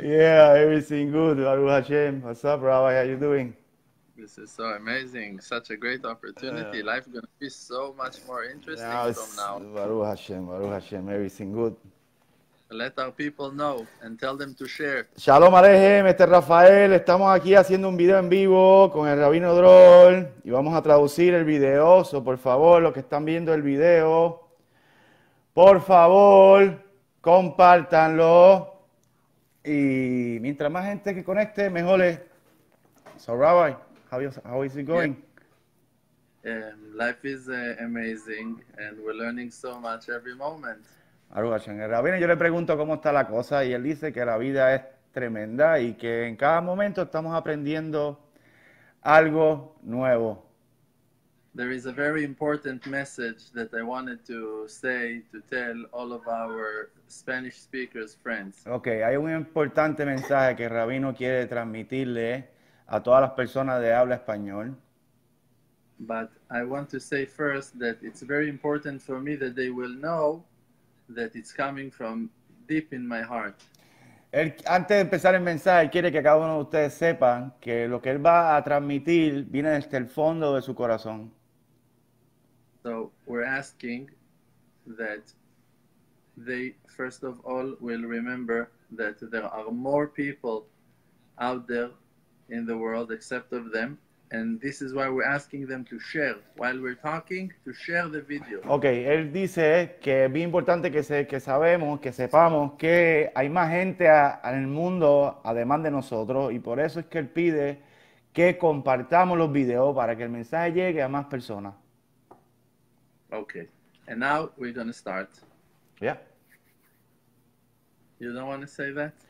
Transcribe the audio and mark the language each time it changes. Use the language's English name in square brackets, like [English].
[English] Everything good. Baruch Hashem. What's up, Rabbi? How you doing? This is so amazing. Such a great opportunity. Life is going to be so much more interesting now from now. Baruch Hashem. Baruch Hashem. Everything good. Let our people know and tell them to share. [Spanish] Shalom Alejem, este es Rafael. Estamos aquí haciendo un video en vivo con el Rabino Drol y vamos a traducir el video. So, por favor, los que están viendo el video, por favor, compártanlo. Y mientras más gente que conecte, mejor es. [English] So, Rabbi, how is it going? Life is amazing and we're learning so much every moment. [Spanish] Yo le pregunto cómo está la cosa y él dice que la vida es tremenda y que en cada momento estamos aprendiendo algo nuevo. [English] There is a very important message that I wanted to say to tell all of our Spanish speakers friends. [Spanish] Okay, hay un importante mensaje que el rabino quiere transmitirle a todas las personas de habla español. [English] But I want to say first that it's very important for me that they will know that it's coming from deep in my heart. [Spanish] Él, antes de empezar el mensaje, quiere que cada uno de ustedes sepan que lo que él va a transmitir viene desde el fondo de su corazón. [English] So we're asking that they first of all will remember that there are more people out there in the world except of them. And this is why we're asking them to share while we're talking, to share the video. [Spanish] Okay, él dice que es bien importante que sepamos que hay más gente en el mundo además de nosotros y por eso es que él pide que compartamos los videos para que el mensaje llegue a más personas. [English] Okay. And now we're going to start. Yeah. You don't want to say that?